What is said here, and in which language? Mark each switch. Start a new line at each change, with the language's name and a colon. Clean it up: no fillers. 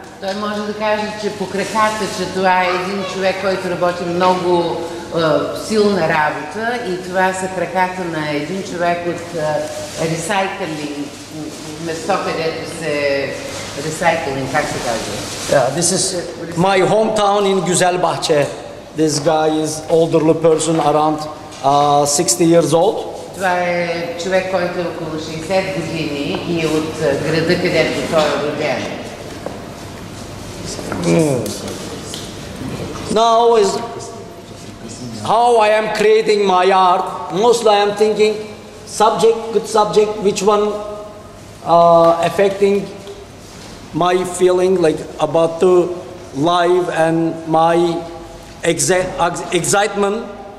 Bulgarian: Той може да каже, че по краката, че това е един човек, който работи много силна работа и това са краката на един човек от recycling, место, където се recycling, как се каже?
English: Yeah, this is my hometown in Güzelbahçe. This guy is older person, around 60 years old.
Bulgarian: Това е човек, който е около 60 години и е от града, където той е роден.
English: Now is how I am creating my art. Mostly I am thinking subject, good subject, which one affecting my feeling like about the life and my excitement.